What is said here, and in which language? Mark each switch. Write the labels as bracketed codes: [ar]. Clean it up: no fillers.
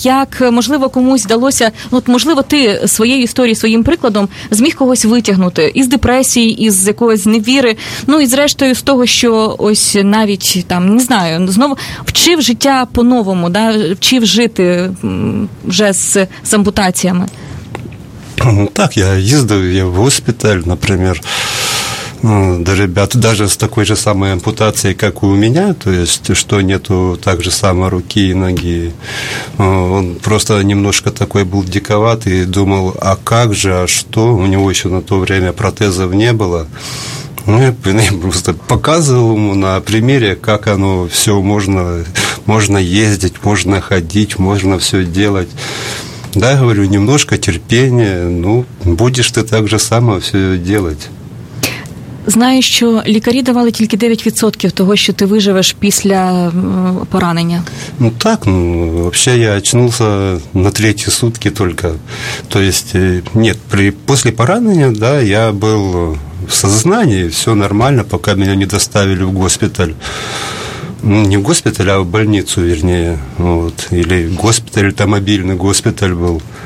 [uk] Як, можливо, комусь вдалося, от, можливо, ти своєю історією, своїм прикладом зміг когось витягнути із депресії, із якоїсь невіри, ну і зрештою з того, що ось навіть, там, не знаю, знову вчив життя по-новому, да? Вчив жити вже з ампутаціями? Так, я їздив в госпіталь, наприклад, [ru] до ребят, даже с такой же самой ампутацией, как у меня, то есть, что нету так же самой руки и ноги, он просто немножко такой был диковатый, думал, а как же, а что, у него еще на то время протезов не было. Ну, я просто показывал ему на примере, как оно все можно, можно ездить, можно ходить, можно все делать. Да, я говорю, немножко терпения, ну, будешь ты так же само все делать. [uk] Знаю, що лікарі давали тільки 9% того, що ти виживеш після поранення. [ru] Ну так, ну, вообще я очнулся на третьи сутки только. То есть, нет, после поранення, да, я был в сознании, все нормально, пока меня не доставили в госпиталь. Ну, не в госпиталь, а в больницу, вернее. Вот. Или госпиталь, это мобильный госпиталь был.